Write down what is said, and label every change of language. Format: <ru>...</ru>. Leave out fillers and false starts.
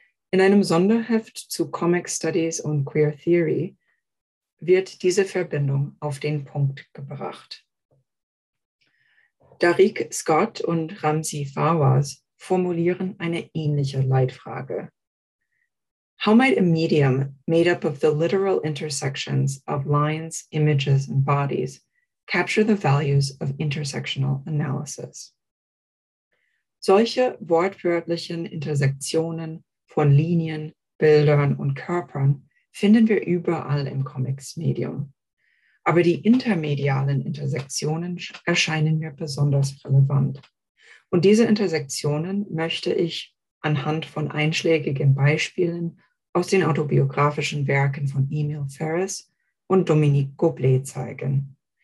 <de>In einem Sonderheft zu Comic Studies und Queer Theory wird diese Verbindung auf den Punkt gebracht. Darik Scott und Ramzi Fawaz formulieren eine ähnliche Leitfrage.</de> <en>How might a medium made up of the literal intersections of lines, images and bodies capture the values of intersectional analysis?</en> <de>Solche wortwörtlichen Intersektionen von Linien, Bildern und Körpern finden wir überall im Comics-Medium. Aber die intermedialen Intersektionen erscheinen mir besonders relevant. Und diese Intersektionen möchte ich anhand von einschlägigen Beispielen aus den autobiografischen Werken von Emil Ferris und Dominique Goblet zeigen.</de>